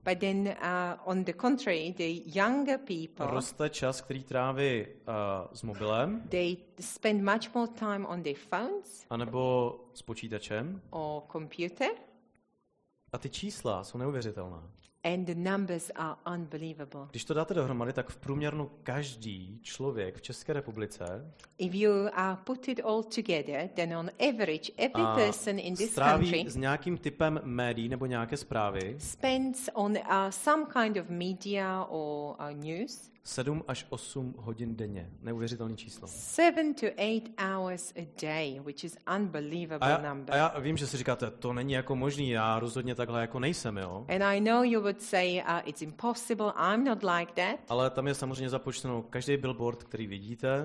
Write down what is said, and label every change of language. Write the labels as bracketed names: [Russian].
[English] But then on the contrary, the younger people. [Czech] Roste čas, který tráví s mobilem. [English] They spend much more time on their phones. [Czech] A nebo s počítačem. [English] Or computer. [Czech] A ty čísla jsou neuvěřitelná. [English] And the numbers are unbelievable. [Czech] Když to dáte dohromady, tak v průměru každý člověk v České republice. [English] If you put it all together, then on average every person in this country. [Czech] Stráví s nějakým typem médií nebo nějaké zprávy. [English] Spends on some kind of media or news. [Czech] 7 až 8 hodin denně. Neuvěřitelné číslo. [English] 7 to 8 hours a day, which is unbelievable number. [Czech] A já vím, že si říkáte, to není jako možný, já rozhodně takhle jako nejsem, jo. [English] And I know you would say it's impossible, I'm not like that. [Czech] Ale tam je samozřejmě započteno každý billboard, který vidíte.